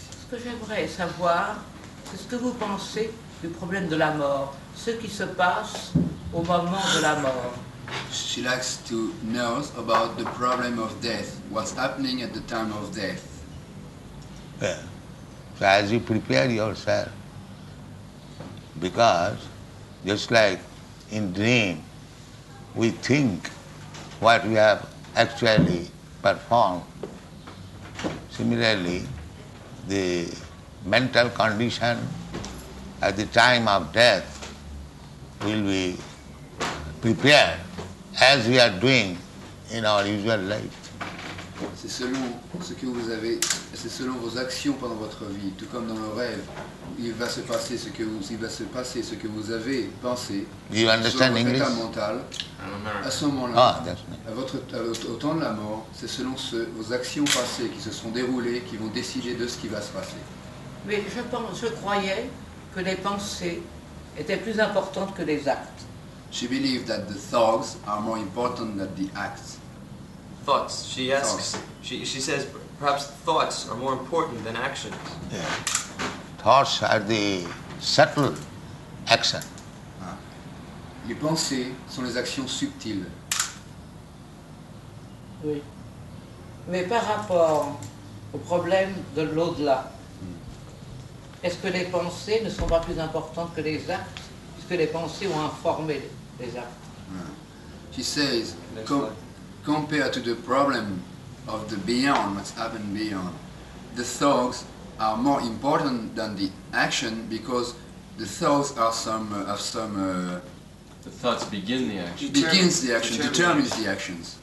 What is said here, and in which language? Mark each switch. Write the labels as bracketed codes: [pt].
[fr] Ce que j'aimerais savoir, c'est ce que vous pensez du problème de la mort, ce qui se passe au moment de la mort. [en] She likes to know about the problem of death, what's happening at the time of death. Well, so as you prepare yourself, because just like in dream, we think what we have actually performed. Similarly, the mental condition at the time of death will be prepared as we are doing in our usual life. [fr] C'est selon ce que vous avez, c'est selon vos actions pendant votre vie, tout comme dans le rêve, il va se passer ce que vous avez pensé. [en] You understand English? [fr] Mental, à ce moment-là, au temps de la mort, c'est selon vos actions passées qui se sont déroulées qui vont décider de ce qui va se passer. Mais je croyais que les pensées étaient plus importantes que les actes. [en] She believed that the thoughts are more important than the acts. Thoughts. She asks. She says perhaps thoughts are more important than actions. Yeah. Thoughts are the subtle action. [fr] Les pensées sont les actions subtiles. Oui. Mais par rapport au problème de l'au-delà, est-ce que les pensées ne sont pas plus importantes que les actes, puisque les pensées ont informé les actes? [en] She says, compared to the problem of the beyond, what's happened beyond, the thoughts are more important than the action because the thoughts are the thoughts begin the action. Begins the action, determines the actions.